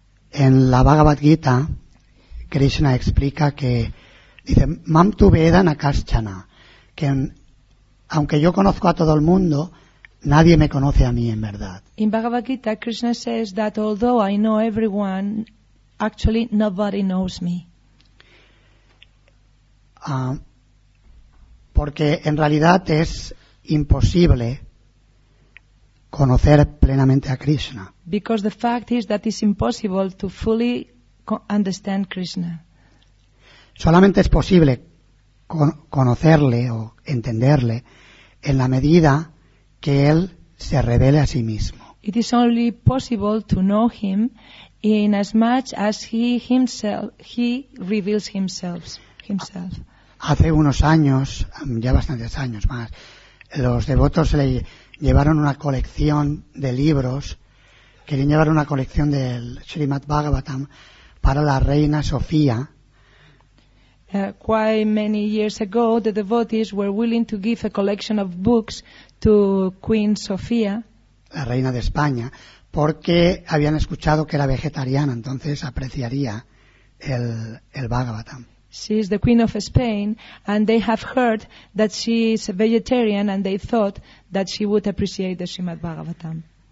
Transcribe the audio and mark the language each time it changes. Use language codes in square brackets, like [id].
[es] En la Bhagavad Gita, Krishna explica que, dice, [sa] Mam tu veda nakaschana, [es] que aunque yo conozco a todo el mundo, nadie me conoce a mí en verdad. [en] In Bhagavad Gita, Krishna says that although I know everyone, actually nobody knows me. [es] Porque en realidad es imposible conocer plenamente a Krishna. [en] Because the fact is that it's impossible to fully understand Krishna. [es] Solamente es posible conocerle o entenderle en la medida que él se revele a sí mismo. [en] It is only possible to know him in as much as he reveals himself. [es] Hace unos años, ya bastantes años más, los devotos le llevaron una colección de libros, querían llevar una colección del Srimad Bhagavatam para la reina Sofía. [en] Quite many years ago, the devotees were willing to give a collection of books to Queen Sofía, [es] la reina de España, porque habían escuchado que era vegetariana, entonces apreciaría el Bhagavatam. [en] She is the Queen of Spain, and they have heard that she is a vegetarian, and they thought that she would appreciate the Srimad Bhagavatam.